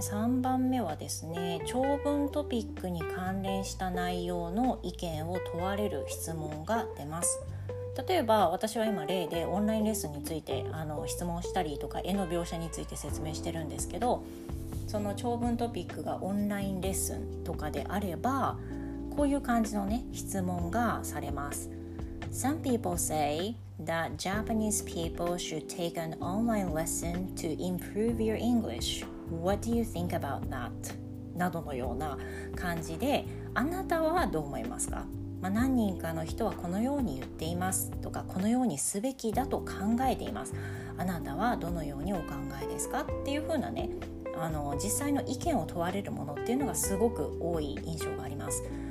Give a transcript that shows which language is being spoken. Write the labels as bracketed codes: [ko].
[ja] 3番目はですね、長文トピックに関連した内容の意見を問われる質問が出ます。例えば私は今例でオンラインレッスンについて質問したりとか、絵の描写について説明してるんですけど、その長文トピックがオンラインレッスンとかであれば、こういう感じのね、質問がされます。 [en] Some people say that Japanese people should take an online lesson to improve your English. What do you think about that? [ja] などのような感じで、あなたはどう思いますか？まあ、何人かの人はこのように言っていますとか、このようにすべきだと考えています、あなたはどのようにお考えですかっていう風なね、実際の意見を問われるものっていうのがすごく多い印象があります。